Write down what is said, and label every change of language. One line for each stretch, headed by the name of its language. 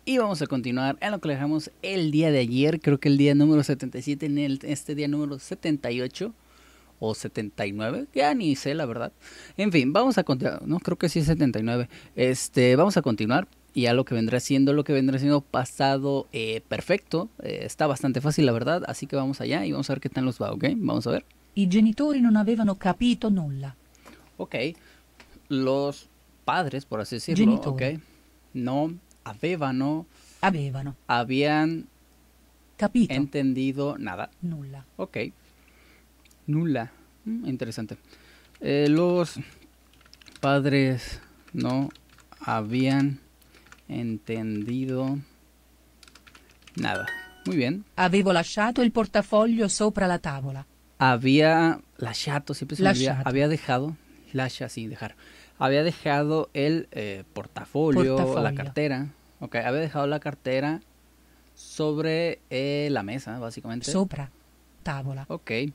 Spanish: Y vamos a continuar en lo que dejamos el día de ayer, creo que el día número 77, en este día número 78 o 79, ya ni sé, la verdad. En fin, vamos a continuar, no, creo que sí es 79. Vamos a continuar y a lo que vendrá siendo pasado perfecto. Está bastante fácil, la verdad, así que vamos allá y vamos a ver qué tal nos va, ¿ok? Vamos a ver.
Italian: I genitori non avevano capito nulla. Ok.
Spanish: Los padres, por así decirlo,
Italian: genitori. Ok, no avevano, avevano,
Spanish: habían
Italian: capito,
Spanish: entendido nada,
Italian: nulla,
Spanish: ok, nulla, interesante, los padres no habían entendido nada, muy bien.
Italian: Avevo lasciato il portafoglio sopra la tavola.
Spanish: Había lasciato, siempre se lasciato. Me olvida, había dejado, lascia, sí, dejar. Había dejado el portafolio, la cartera. Ok, había dejado la cartera sobre la mesa, básicamente.
Italian: Sopra, tavola. Ok.